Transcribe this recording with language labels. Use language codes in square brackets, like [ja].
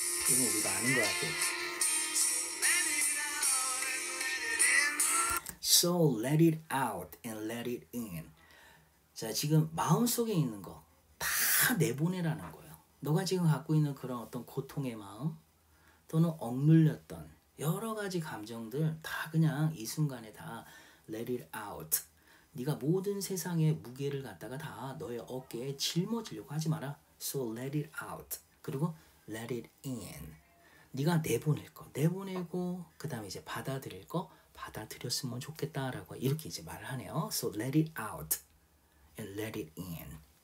[ko] 이건 우리가 아는 것 같아. [en] So let it out and let it in. [ko] 자, 지금 마음속에 있는 거 다 내보내라는 거예요. 너가 지금 갖고 있는 그런 어떤 고통의 마음 또는 억눌렸던 여러 가지 감정들 다 그냥 이 순간에 다 [en] let it out. [ko] 네가 모든 세상의 무게를 갖다가 다 너의 어깨에 짊어지려고 하지 마라. [en] So let it out. [ko] 그리고 [en] let it in. [ko] 네가 내보낼 거 내보내고 그 다음에 이제 받아들일 거 받아들였으면 좋겠다 라고 이렇게 이제 말을 하네요. [en] So let it out and let it in.